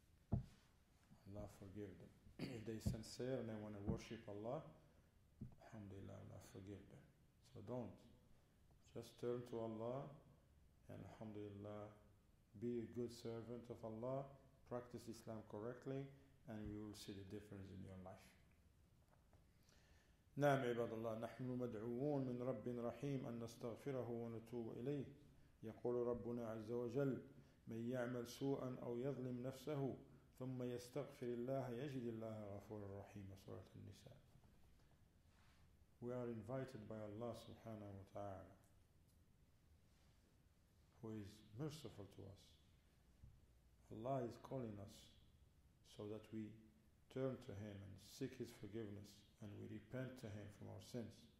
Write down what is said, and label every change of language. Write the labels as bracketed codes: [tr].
[en] Allah forgive them. If they sincere and they want to worship Allah, alhamdulillah, Allah forgive them. So don't. Just turn to Allah and alhamdulillah, be a good servant of Allah, practice Islam correctly, and you will see the difference in your life. [ar] نعم عباد الله نحن مدعوون من رب رحيم أن نستغفره ونتوب إليه يقول ربنا عز وجل من يعمل سوءا أو يظلم نفسه ثم يستغفر الله يجد الله غفور رحيم سورة النساء. [en] We are invited by Allah subhanahu wa ta'ala, who is merciful to us. Allah is calling us so that we turn to Him and seek His forgiveness, and we repent to Him from our sins.